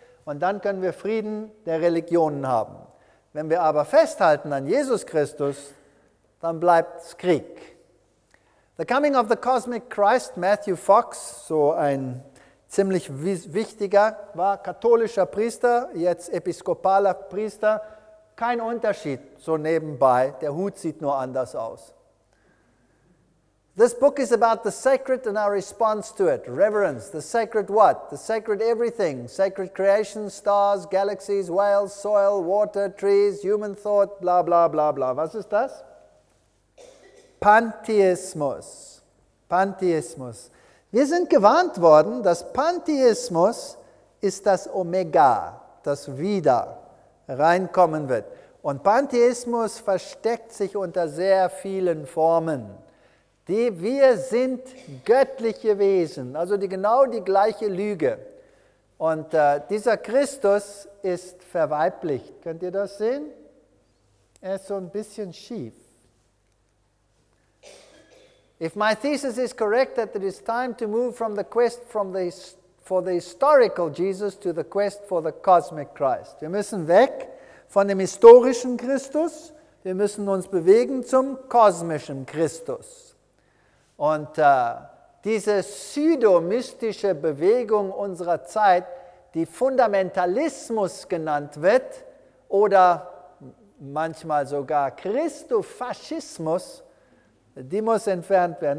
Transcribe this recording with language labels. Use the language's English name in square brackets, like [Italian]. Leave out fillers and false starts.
[German] Und dann können wir Frieden der Religionen haben. Wenn wir aber festhalten an Jesus Christus, dann bleibt es Krieg. The Coming of the Cosmic Christ, Matthew Fox, so ein ziemlich wichtiger, war katholischer Priester, jetzt episkopaler Priester. Kein Unterschied, so nebenbei, der Hut sieht nur anders aus. [English] This book is about the sacred and our response to it. Reverence, the sacred what? The sacred everything. Sacred creation, stars, galaxies, whales, soil, water, trees, human thought, bla bla bla bla. [German] Was ist das? Pantheismus. Pantheismus. Wir sind gewarnt worden, dass Pantheismus ist das Omega, das wieder reinkommen wird. Und Pantheismus versteckt sich unter sehr vielen Formen. Wir sind göttliche Wesen, also genau die gleiche Lüge. Und dieser Christus ist verweiblicht. Könnt ihr das sehen? Er ist so ein bisschen schief. [English] If my thesis is correct that it is time to move from the quest for the historical Jesus to the quest for the cosmic Christ. [German] Wir müssen weg von dem historischen Christus, wir müssen uns bewegen zum kosmischen Christus. Und diese pseudomystische Bewegung unserer Zeit, die Fundamentalismus genannt wird oder manchmal sogar Christofaschismus, die muss entfernt werden.